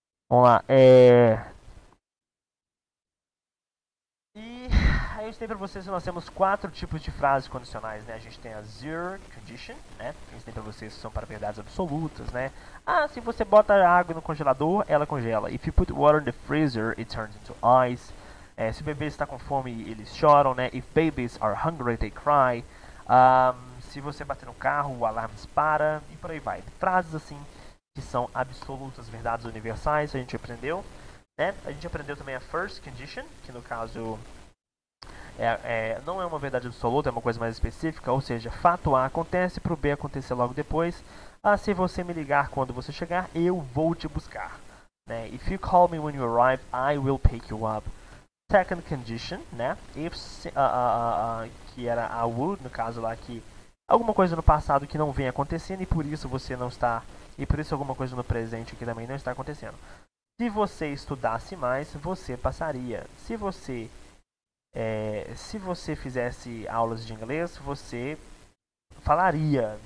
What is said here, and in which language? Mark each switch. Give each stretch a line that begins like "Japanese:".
Portuguese: Vamos lá, aí eu ensinei pra vocês que nós temos quatro tipos de frases condicionais, né? A gente tem a zero condition, né? Eu ensinei pra vocês que são para verdades absolutas, né? Ah, se você bota água no congelador, ela congela.
English: If you put water in the freezer, it turns into ice.
Portuguese: É, se o bebê está com fome, eles choram, né?
English: If babies are hungry, they cry.
Portuguese: Se você bater no carro, o alarme dispara. E por aí vai. Frases assim que são absolutas, verdades universais, a gente aprendeu, né? A gente aprendeu também a first condition, que no caso não é uma verdade absoluta, é uma coisa mais específica, ou seja, fato A acontece para o B acontecer logo depois. Ah, se você me ligar quando você chegar, eu vou te buscar, né?
English: If you call me when you arrive, I will pick you up. Second condition, né?
Portuguese: Que era a would, no caso lá, que alguma coisa no passado que não vem acontecendo e por isso você não está. E por isso alguma coisa no presente que também não está acontecendo. Se você estudasse mais, você passaria. Se você fizesse aulas de inglês, você falaria.